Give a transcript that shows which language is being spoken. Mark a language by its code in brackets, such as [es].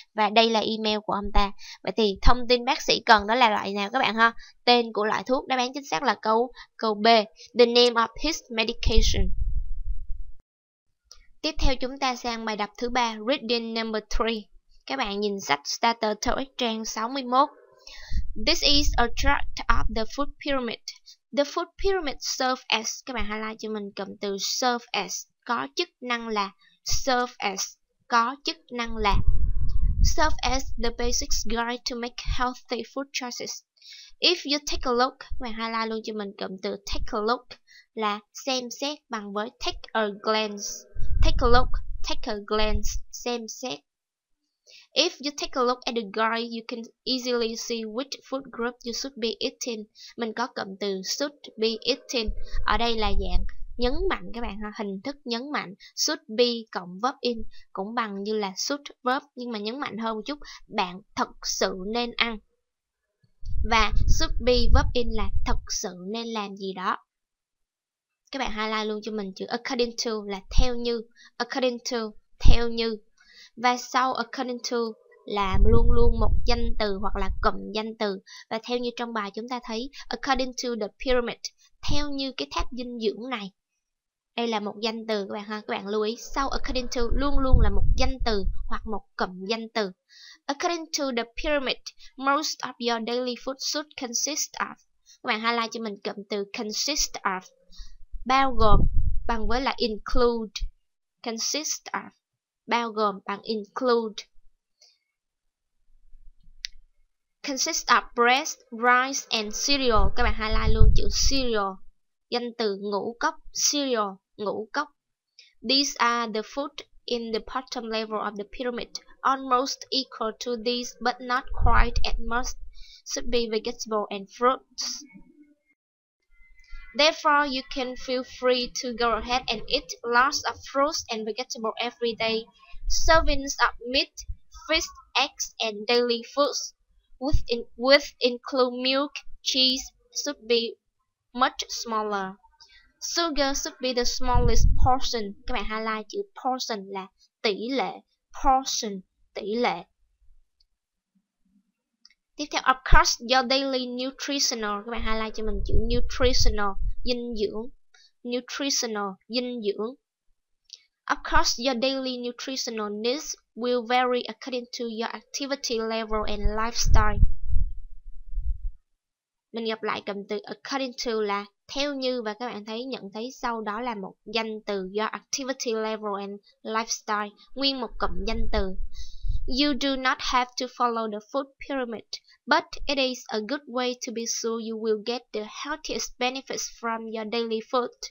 [vi] Và đây là email của ông ta. Vậy thì thông tin bác sĩ cần đó là loại nào các bạn ha? Tên của loại thuốc, đáp án chính xác là câu B, [en] the name of his medication. [vi] Tiếp theo chúng ta sang bài đọc thứ 3, [en] reading number 3. [vi] Các bạn nhìn sách starter TOEIC trang 61. [en] This is a chart of the food pyramid. The food pyramid serves as, [vi] các bạn highlight cho mình cụm từ serve as, có chức năng là, serve as, có chức năng là. [en] Serve as the basic guide to make healthy food choices. If you take a look, [vi] các bạn highlight luôn cho mình cụm từ take a look là xem xét bằng với take a glance. [en] Take a look, take a glance, [vi] xem xét. [en] If you take a look at the guide, you can easily see which food group you should be eating. [vi] Mình có cụm từ should be eating. Ở đây là dạng nhấn mạnh các bạn ha, hình thức nhấn mạnh. Should be cộng verb in cũng bằng như là should verb, nhưng mà nhấn mạnh hơn một chút, bạn thật sự nên ăn. Và should be verb in là thật sự nên làm gì đó. Các bạn highlight luôn cho mình chữ according to là theo như. According to, theo như. Và sau according to là luôn luôn một danh từ hoặc là cụm danh từ. Và theo như trong bài chúng ta thấy, [en] according to the pyramid, [vi] theo như cái tháp dinh dưỡng này. Đây là một danh từ các bạn ha. Các bạn lưu ý sau according to luôn luôn là một danh từ hoặc một cụm danh từ. [en] According to the pyramid, most of your daily food should consist of. [vi] Các bạn highlight cho mình cụm từ consist of. Bao gồm bằng với là include. Consist of. Bao gồm bằng include. [en] Consist of bread, rice and cereal. [vi] Các bạn highlight luôn chữ cereal. Danh từ ngũ cốc, cereal, ngũ cốc. [en] These are the food in the bottom level of the pyramid. Almost equal to these, but not quite as much, should be vegetables and fruits. Therefore, you can feel free to go ahead and eat lots of fruits and vegetables every day. Servings of meat, fish, eggs, and daily foods, with include milk, cheese, should be much smaller. Sugar should be the smallest portion. [vi] Các bạn highlight chữ portion là tỷ lệ. Portion, tỷ lệ. Tiếp theo, [en] of course, your daily nutritional. [vi] Các bạn highlight cho mình chữ nutritional, dinh dưỡng. Nutritional, dinh dưỡng. [en] Of course, your daily nutritional needs will vary according to your activity level and lifestyle. [vi] Mình gặp lại cụm từ according to là theo như, và các bạn thấy nhận thấy sau đó là một danh từ do [en] activity level and lifestyle, [vi] nguyên một cụm danh từ. [en] You do not have to follow the food pyramid, but it is a good way to be sure you will get the healthiest benefits from your daily food.